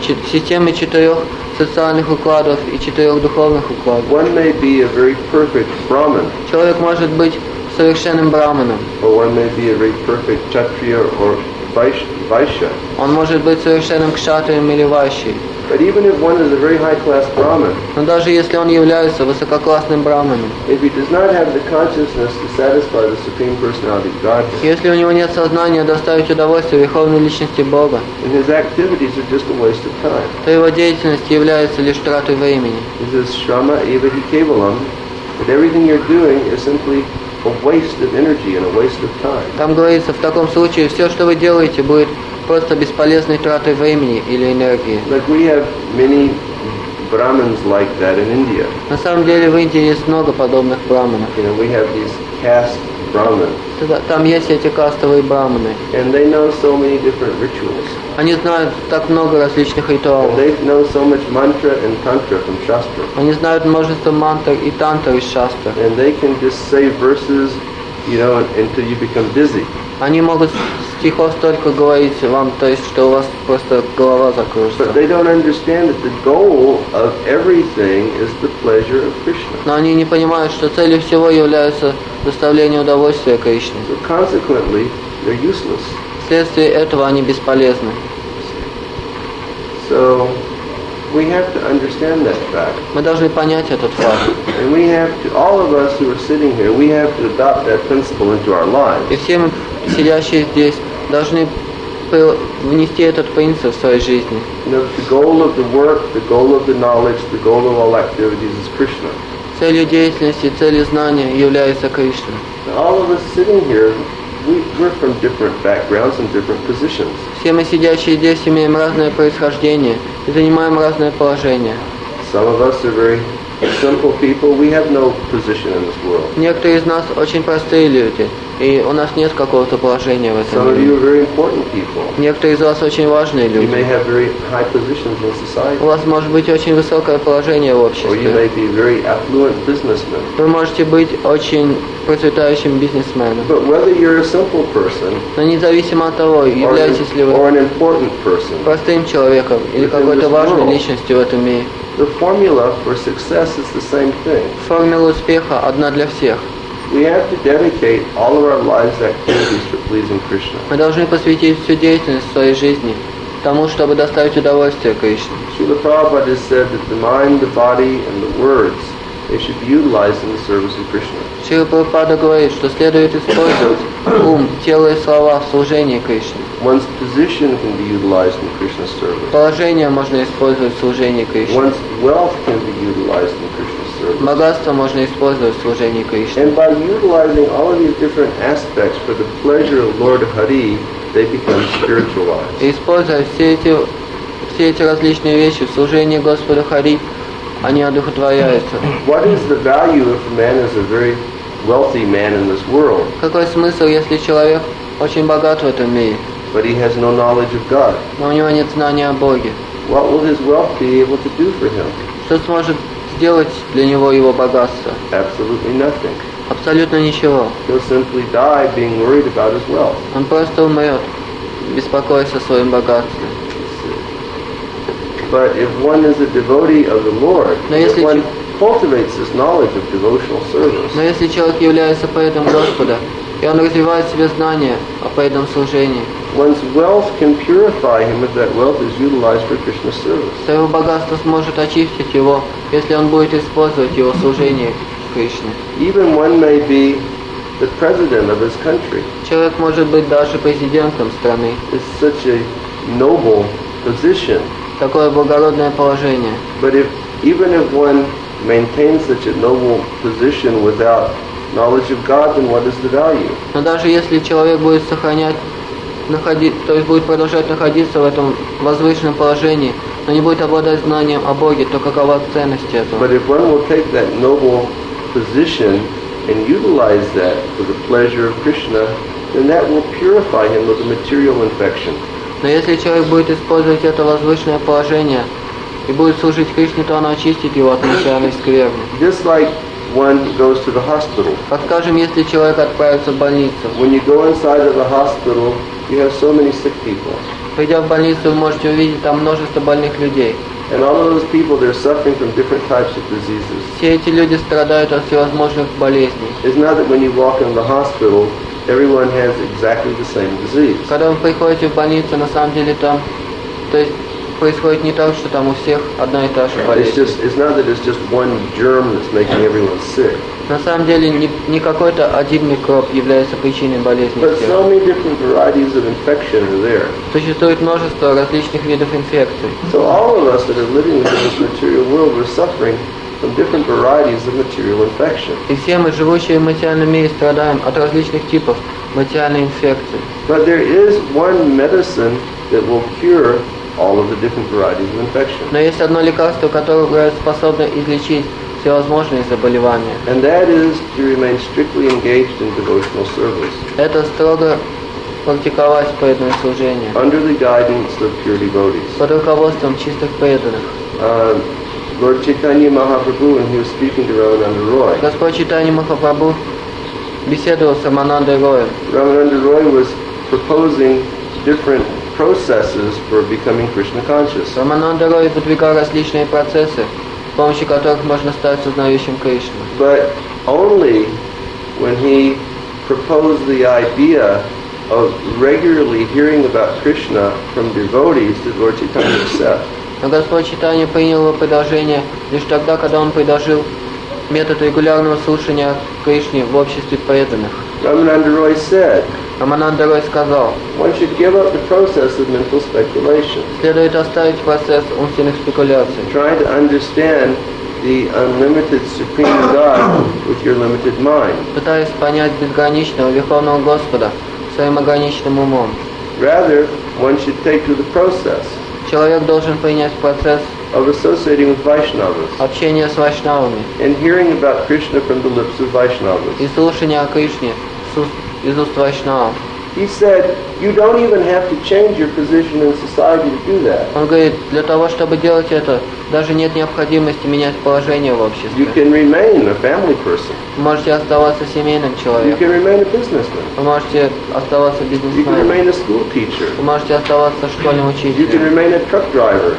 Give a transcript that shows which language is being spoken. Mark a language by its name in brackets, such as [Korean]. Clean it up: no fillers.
[Russian] Системы четырех социальных укладов и четырех духовных укладов. [English] One may be a very perfect Brahman. [Russian] Человек может быть совершенным Брахманом. [English] Or one may be a very perfect Kshatriya or Vaishya. [Russian] Он может быть совершенным Кшатрием или Вайшей. [English] But even if one is a very high-class Brahman, [Russian] но даже если он является высококлассным Брахманом, [English] if he does not have the consciousness to satisfy the Supreme Personality of God, [Russian] если у него нет сознания доставить удовольствие Верховной Личности Бога, [English] then his activities are just a waste of time. [Russian] То его деятельность является лишь тратой времени. [English] This is Shrama Evahi Kevalam, that everything you're doing is simply a waste of energy and a waste of time. [Russian] Там говорится, в таком случае все, что вы делаете, будет просто бесполезной тратой времени или энергии. [English] Like we have many Brahmins like that in India. [Russian] На самом деле в Индии есть много подобных брахманов. [English] You know, we have these caste Brahmins. [Russian] Там есть эти кастовые брахманы. [English] And they know so many different rituals. [Russian] Они знают так много различных ритуалов. [English] And they know so much mantra and tantra from shastra. [Russian] Они знают множество мантр и тантр из шастры. [English] And they can just say verses, you know, until you become dizzy. [Russian] Они могут стихов столько говорить вам, то есть, что у вас просто голова закружится. [English] But they don't understand that the goal of everything is the pleasure of Krishna. [Russian] Но они не понимают, что целью всего является доставление удовольствия Кришне. [English] So consequently, they're useless. [Russian] Вследствие этого они бесполезны. [English] So we have to understand that fact. [Russian] Мы должны понять этот факт. [English] And we have to, all of us who are sitting here, we have to adopt that principle into our lives. [Russian] И все мы, сидящие здесь, должны внести этот принцип в свою жизнь. [English] The goal of the work, the goal of the knowledge, the goal of all activities is Krishna. [Russian] Целью деятельности, целью знания является Кришна. [English] All of us sitting here, we're from different backgrounds and different positions. [Russian] Все мы, сидящие здесь, имеем разное происхождение и занимаем разное положение. [English] Some of us are very simple people. We have no position in this world. [Russian] Некоторые из нас очень простые люди, и у нас нет какого-то положения в этом мире. [English] Some of you are very important people. [Russian] Некоторые из вас очень важные люди. [English] You may have very high positions in society. [Russian] У вас может быть очень высокое положение в обществе. [English] Or you may be a very affluent businessman. [Russian] Вы можете быть очень процветающим бизнесменом. [English] But whether you're a simple person, [Russian] но независимо от того, являетесь ли вы [English] or an important person, [Russian] простым человеком или какой-то важной личностью в этом мире, [English] the formula for success is the same thing. [Russian] Формула успеха одна для всех. [English] We have to dedicate all of our lives' activities to pleasing Krishna. [Russian] Мы должны посвятить всю деятельность своей жизни тому, чтобы доставить удовольствие Кришне. [English] Srila Prabhupada said that the mind, the body, and the words, they should be utilized in the service of Krishna. [Russian] Srila Prabhupada говорит, что следует использовать ум, тело и слова в служении Кришне. [English] One's position can be utilized in Krishna's service. [Russian] Положение можно использовать в служении Кришне. [English] One's wealth can be utilized in Krishna's service. [Russian] Богатство можно использовать в служении Кришне. [English] And by utilizing all of these different aspects for the pleasure of Lord Hari, they become spiritualized. [Russian] Используя все эти различные вещи в служении Господу Хари, они одухотворяются. [English] What is the value if a man is a very wealthy man in this world? [Russian] Какой смысл, если человек очень богат в этом мире? [English] But he has no knowledge of God. [Russian] Но у него нет знания о Боге. [English] What will his wealth be able to do for him? [Russian] Что сможет сделать для него его богатство? [English] Absolutely nothing. [Russian] Абсолютно ничего. [English] He'll simply die being worried about his wealth. [Russian] Он просто умрет, беспокоясь о своем богатстве. [English] But if one is a devotee of the Lord, if one cultivates this knowledge of devotional service, [Russian] но если человек является поэтом Господа, и он развивает в себе знания о поэтом служении, [English] one's wealth can purify him if that wealth is utilized for Krishna's service. [Russian] То его богатство сможет очистить его, если он будет использовать его служение Кришне. [English] Even one may be the president of his country. [Russian] Человек может быть даже президентом страны. [English] It's such a noble position. [Russian] Такое благородное положение. [English] But if, even if one maintain such a noble position without knowledge of God, then what is the value? [Russian] Но даже если человек будет сохранять, находить, то есть будет продолжать находиться в этом возвышенном положении, но не будет обладать знанием о Боге, то какова ценность этого? [English] But if one will take that noble position and utilize that for the pleasure of Krishna, then that will purify him of the material infection. [Russian] Но если человек будет использовать это возвышенное положение и будет служить Кришне, то оно очистит его от материальной скверны. [English] Just like one goes to the hospital. [Russian] Вот скажем, если человек отправится в больницу. [English] When you go inside of the hospital, you have so many sick people. [Russian] Придя в больницу, вы можете увидеть там множество больных людей. [English] And all of those people, they're suffering from different types of diseases. [Russian] Все эти люди страдают от всевозможных болезней. [English] It's not that when you walk in the hospital, everyone has exactly the same disease. [Russian] Когда вы приходите в больницу, на самом деле там, то есть происходит не так, что там у всех одна и та же болезнь. [English] It's not that it's just one germ that's making everyone sick. [Russian] На самом деле не какой-то один микроб является причиной болезни. [English] But so many different varieties of infection are there. [Russian] Существует множество различных видов инфекций. [English] So all of us that are living in this material world are suffering from different varieties of material infection. [Russian] И все мы, живущие в материальном мире, страдаем от различных типов материальной инфекции. [English] But there is one medicine that will cure all of the different varieties of infection. [Russian] Но есть одно лекарство, которое способно излечить всевозможные заболевания. [English] And that is to remain strictly engaged in devotional service. [Russian] Это строго практиковать преданное служение. [English] Under the guidance of pure devotees. [Russian] Под руководством чистых преданных. [English] Lord Chaitanya Mahaprabhu, when he was speaking to Ramananda Roy. [Russian] Господь Чайтанья Махапрабху беседовал с Раманандой Роем. [English] Ramananda Roy was proposing different processes for becoming Krishna conscious. [Russian] Ramananda Roy выдвигал различные процессы, с помощью которых можно стать сознающим Кришну. [English] But only when he proposed the idea of regularly hearing about Krishna from devotees did Lord Chaitanya accept. [Russian] Но Господь Чайтанья принял его предложение лишь тогда, когда он предложил метод регулярного слушания Кришне в обществе преданных. [English] Рамананда Рой said. [Russian] Рамананда Рой сказал. [English] One should give up the process of mental speculation. [Russian] Следует оставить процесс умственных спекуляций. [English] Try to understand the unlimited supreme God with your limited mind. [Russian] Пытаясь понять безграничного верховного Господа своим ограниченным умом. [English] Rather, one should take to the process. [Russian] Человек должен принять процесс [English] of associating with Vaishnavas, [Russian] общения с Вайшнавами, [English] and hearing about Krishna from the lips of Vaishnavas, [Russian] и слушания о Кришне из уст Вайшнава. [English] He said, you don't even have to change your position in society to do that. [Russian] Он говорит, для того, чтобы делать это, даже нет необходимости менять положение в обществе. [English] You can remain a family person. [Russian] Вы можете оставаться семейным человеком. [English] You can remain a businessman. [Russian] Вы можете оставаться бизнесменом. [English] You can remain a school teacher. [Russian] Вы можете оставаться школьным учителем. [English] You can remain a truck driver.